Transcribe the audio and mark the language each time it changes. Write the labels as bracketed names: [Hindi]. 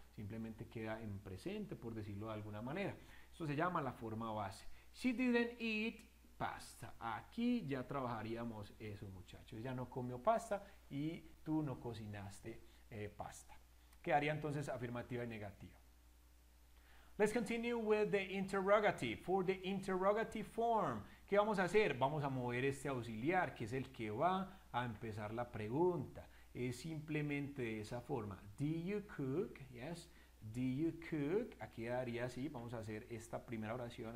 [Spanish] Simplemente queda en presente, por decirlo de alguna manera. Esto se llama la forma base. [English] She didn't eat pasta. [Spanish] Aquí ya trabajaríamos eso, muchachos. Ella no comió pasta y tú no cocinaste pasta. Quedaría entonces afirmativa y negativa. [English] Let's continue with the interrogative. For the interrogative form, [Spanish] ¿qué vamos a hacer? Vamos a mover este auxiliar, que es el que va a empezar la pregunta. Es simplemente de esa forma. [English] Do you cook? Yes. Do you cook? [Spanish] Aquí daría así. Vamos a hacer esta primera oración.